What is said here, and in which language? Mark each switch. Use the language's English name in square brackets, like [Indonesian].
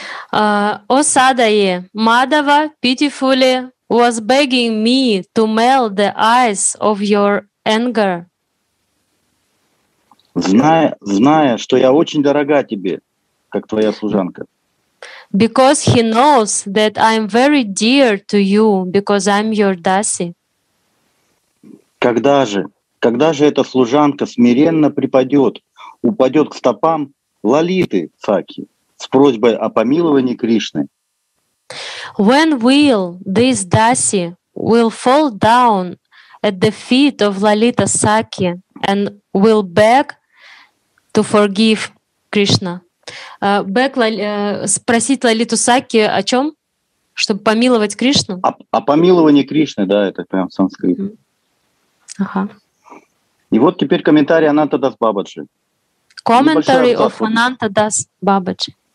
[English] О Садае, Мадава pitifully was begging me to melt the ice of your anger. [Russian] Зная, что я очень дорога тебе, как твоя служанка. [English] Because he knows that I'm very dear to you, because I'm your dasi. [Russian] Когда же эта служанка смиренно припадет, упадет к стопам Лалиты Сакхи с просьбой о помиловании Кришны? [English] When will this dasi will fall down at the feet of Lalita Sakhi and will beg to forgive Krishna? [Russian] Спросить Лалиту Сакхи о чем? Чтобы помиловать Кришну? О помиловании Кришны, да, это прям в санскрите. Ага. И вот теперь комментарий Ананта Дас Бабаджи. [English] Commentary of Ananta Das Babaji.